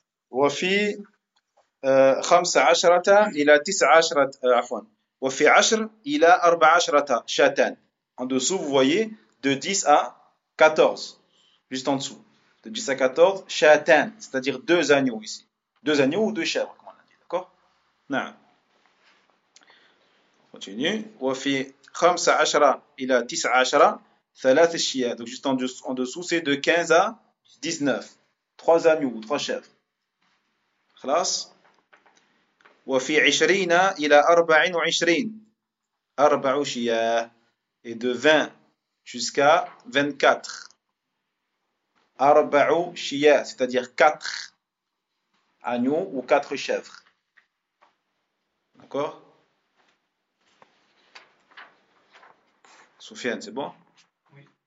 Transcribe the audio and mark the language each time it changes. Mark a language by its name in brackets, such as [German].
[Arabic] وفي خمسة عشرة إلى تسعة عشرة عفوا وفي عشر إلى أربعة عشرة شاتان. [French] En dessous, vous voyez, de 10 à 14. Juste en dessous. De 10 à 14, chatan, c'est-à-dire deux agneaux ici. Deux agneaux ou deux chèvres, comme on a dit, d'accord? Non. On continue. [Arabic] وفي خمسة عشرة إلى تسعة عشرة ثلاثة شياه. [French] Donc juste en dessous, c'est de 15 à 19. Trois agneaux ou trois chèvres. Classe. [Arabic] وفي عشرين إلى أربعين وعشرين أربع شياه. [French] Et de 20 jusqu'à 24. [Arabic] Arba'u shiya, [French] c'est-à-dire quatre agneaux ou quatre chèvres. D'accord? Soufiane, c'est bon? Oui.